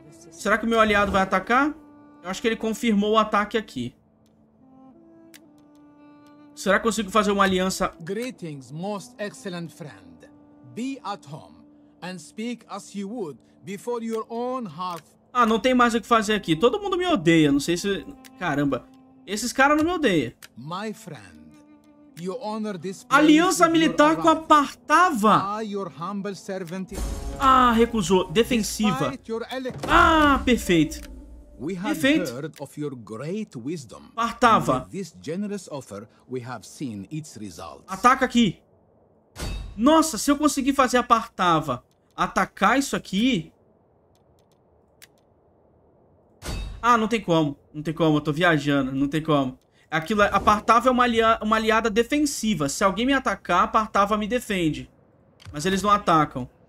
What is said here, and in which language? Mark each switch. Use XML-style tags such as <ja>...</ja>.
<pt>Será que o meu aliado vai atacar? Eu acho que ele confirmou o ataque aqui. Será que eu consigo fazer uma aliança?</pt> <en>Greetings, most excellent friend. Be at home and speak as you would before your own heart.</en> <pt>Ah, não tem mais o que fazer aqui. Todo mundo me odeia. Não sei se. Caramba. Esses caras não me odeiam.</pt> <en>My friend, you honor this place.</en> <pt>Aliança militar com a Partava.</pt> <en>I, your humble servant.</en> <pt>Ah, recusou. Defensiva. Ah, perfeito.</pt> <en>We have</en> <pt>perfeito.</pt> <en>Heard of your great wisdom.</en> <pt>Partava.</pt> <en>And with this generous offer, we have seen its results.</en> <pt>Ataca aqui. Nossa, se eu conseguir fazer a Partava atacar isso aqui. Ah, não tem como. Não tem como, eu tô viajando. Não tem como. Aquilo, a Partava é uma aliada defensiva. Se alguém me atacar, a Partava me defende. Mas eles não atacam.</pt>